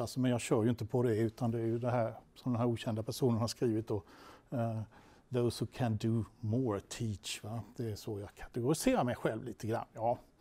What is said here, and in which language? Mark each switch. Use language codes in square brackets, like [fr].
[sv] Alltså, men jag kör ju inte på det, utan det är ju det här som den här okända personen har skrivit då. [en] Those who can do more teach. [sv] Va? Det är så jag kategoriserar mig själv lite grann. Ja.